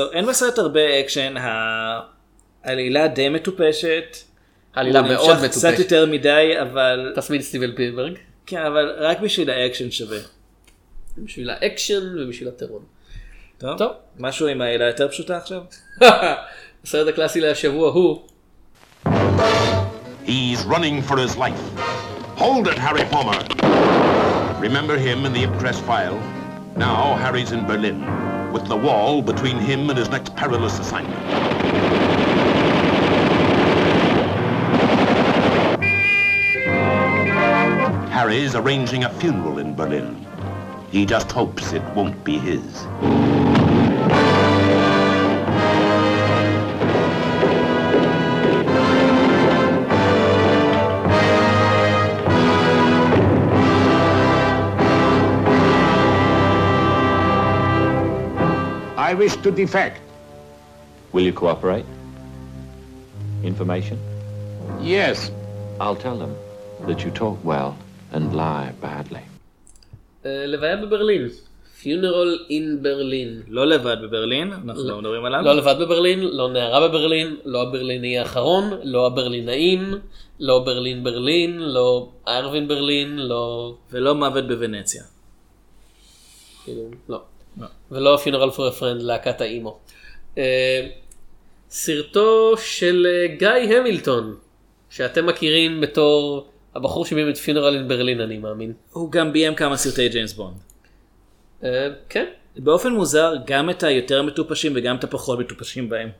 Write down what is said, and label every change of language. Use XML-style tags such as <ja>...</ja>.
<he>אין בסרט הרבה אקשן, העלילה די מטופשת. העלילה מאוד מטופשת. הוא נמשך קצת יותר מדי, אבל... תסמין סטיבל פילברג. כן, אבל רק בשביל האקשן שווה. בשביל האקשן ובשביל הטרון. טוב, משהו עם העלילה יותר פשוטה עכשיו? הסרט הקלאסי להשבוע הוא...</he> <en>He's running for his life. Hold it, Harry Palmer. Remember him in the Ipcress file? Now Harry's in Berlin, with the wall between him and his next perilous assignment. Harry's arranging a funeral in Berlin. He just hopes it won't be his. I wish to defect. Will you cooperate? Information? Yes. I'll tell them that you talk well and lie badly.</en> <he>לוויה בברלין. Funeral in Berlin. לא לבד בברלין, אנחנו לא מדברים עליו. לא לבד בברלין, לא נערה בברלין, לא הברליני האחרון, לא הברלינאים, לא ברלין ברלין, לא ארווין ברלין, לא... ולא מוות בוונציה. כאילו, לא. ולא Funeral for a Friend, להקת האימו. סרטו של גיא המילטון, שאתם מכירים בתור הבחור שביים את Funeral in Berlin, אני מאמין. הוא גם ביים כמה סרטי ג'יימס בונד. כן. באופן מוזר, גם את היותר מטופשים וגם את הפחות מטופשים בהם.</he>